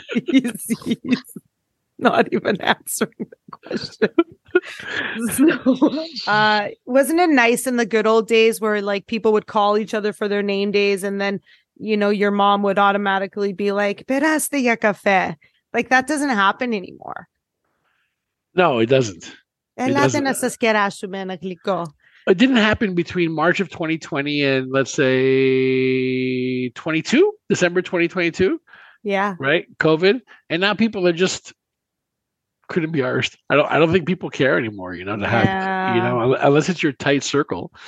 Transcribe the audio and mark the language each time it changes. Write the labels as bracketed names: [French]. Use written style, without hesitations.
[English] He's not even answering the question. Wasn't it nice in the good old days where like people would call each other for their name days and then, you know, your mom would automatically be like, [Greek] "Peraste ya café." [English] Like that doesn't happen anymore. No, it doesn't. [Greek] Ελάτε να σας κεράσουμε ένα γλυκό. [English] It didn't happen between March of 2020 and let's say December 2022. Yeah. Right? COVID. And now people are just couldn't be arsed. I don't think people care anymore, you know, to have, you know, unless it's your tight circle.